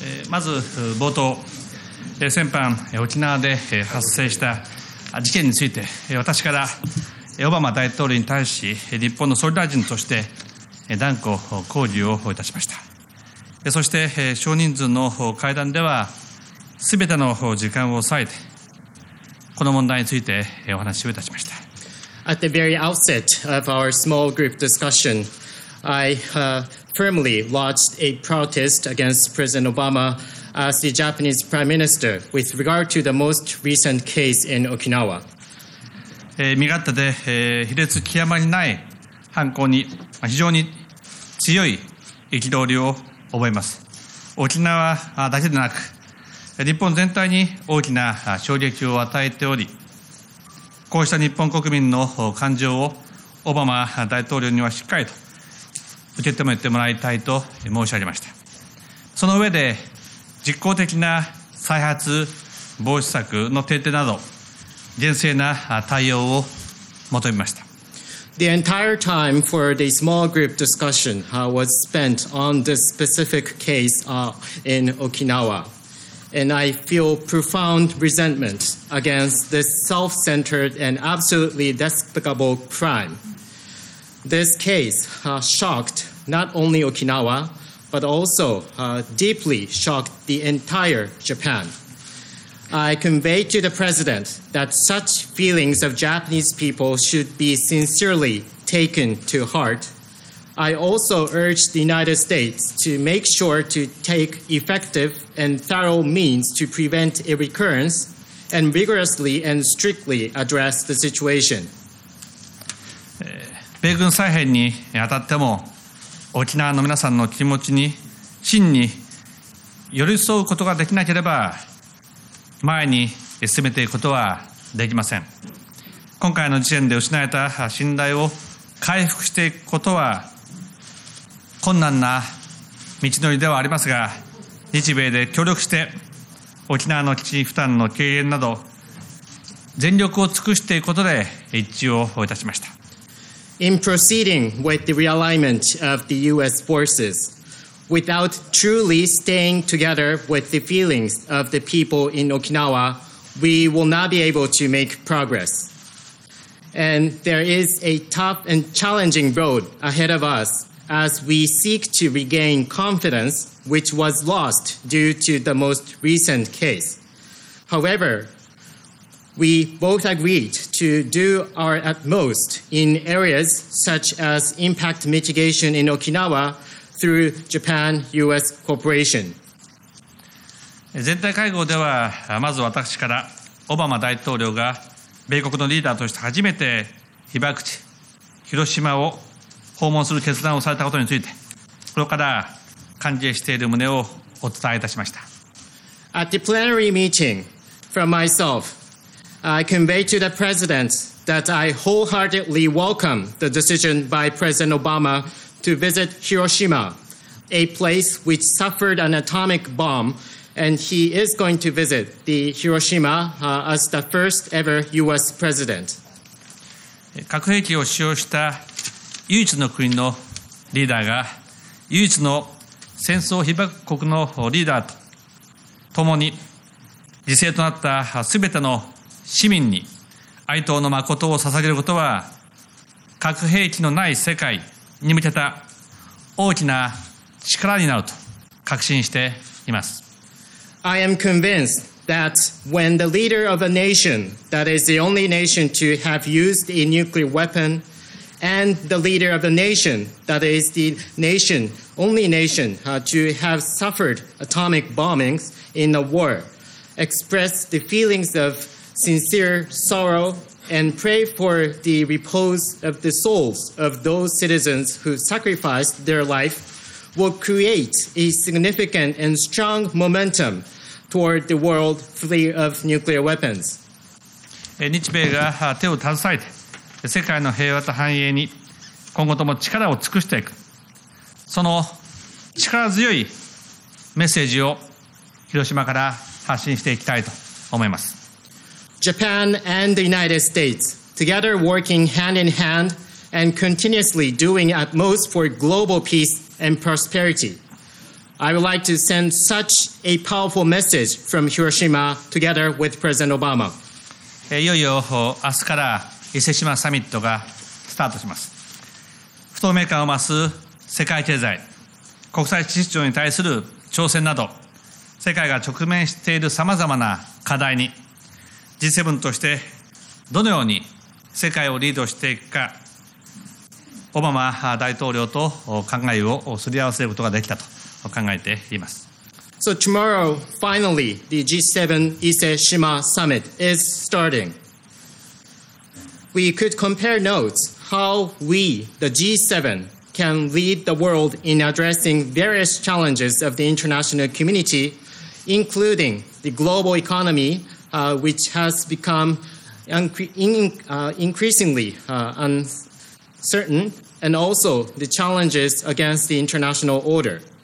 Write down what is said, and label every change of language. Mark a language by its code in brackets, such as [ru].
[ja] まず冒頭、先般沖縄で発生した事件について私からオバマ大統領に対し日本の総理大臣として断固抗議をいたしました。そして少人数の会談ではすべての時間を割いてこの問題についてお話をいたしました。 [en] At the very outset of our small group discussion, I firmly launched a protest against President Obama as the Japanese Prime Minister with regard to the most recent case in Okinawa. [ja] 身勝手で卑劣極まりない犯行に非常に強い憤りを覚えます。沖縄だけでなく日本全体に大きな衝撃を与えており、こうした日本国民の感情をオバマ大統領にはしっかりと受け止めてもらいたいと申し上げました。その上で実効的な再発防止策の徹底など厳正な対応を求めました。 [en] The entire time for the small group discussion was spent on this specific case in Okinawa. And I feel profound resentment against this self-centered and absolutely despicable crime. This case shocked not only Okinawa, but also deeply shocked the entire Japan. I convey to the president that such feelings of Japanese people should be sincerely taken to heart. I also urge the United States to make sure to take effective and thorough means to prevent a recurrence and rigorously and strictly address the situation. [ja] 米軍再編にあたっても、沖縄の皆さんの気持ちに真に寄り添うことができなければ、前に進めていくことはできません。今回の事件で失われた信頼を回復していくことは困難な道のりではありますが、日米で協力して沖縄の基地負担の軽減など全力を尽くしていくことで一致をいたしました。 [en] In proceeding with the realignment of the U.S. forces,Without truly staying together with the feelings of the people in Okinawa, we will not be able to make progress. And there is a tough and challenging road ahead of us as we seek to regain confidence which was lost due to the most recent case. However, we both agreed to do our utmost in areas such as impact mitigation in Okinawa,Through Japan-US cooperation. [ja] 全体会合ではまず私からオバマ大統領が米国のリーダーとして初めて被爆地広島を訪問する決断をされたことについて、これから歓迎している旨をお伝えいたしました。 [en] At the plenary meeting from myself, I convey to the President that I wholeheartedly welcome the decision by President ObamaTo visit Hiroshima, a place which suffered an atomic bomb, and he is going to visit the Hiroshima as the first ever U.S. president. [ja] 核兵器を使用した唯一の国のリーダーが唯一の戦争被爆国のリーダーと共に犠牲となったすべての市民に哀悼の誠を捧げることは核兵器のない世界に向けた大きな力になると確信しています。 [en] I am convinced that when the leader of a nation that is the only nation to have used a nuclear weapon and the leader of a nation that is the nation only nation to have suffered atomic bombings in a war express the feelings of sincere sorrowAnd pray for the repose of the souls of those citizens who sacrificed their life will create a significant and strong momentum toward the world free of nuclear weapons. [ja] 日米が手を携えて世界の平和と繁栄に今後とも力を尽くしていく、その力強いメッセージを広島から発信していきたいと思います。 [en] Japan and the United States, together working hand in hand and continuously doing at most for global peace and prosperity. I would like to send such a powerful message from Hiroshima together with President Obama. [ja] いよいよ明日から伊勢志摩サミットがスタートします。不透明感を増す世界経済、国際秩序に対する挑戦など、世界が直面しているさまざまな課題に、G7 としてどのように世界をリードしていくか、オバマ大統領と考えをすり合わせることができたと考えています。 [en] So tomorrow, finally, the G7 Ise-Shima Summit is starting. We could compare notes how we, the G7, can lead the world in addressing various challenges of the international community, including the global economy, which has become increasingly uncertain, and also the challenges against the international order.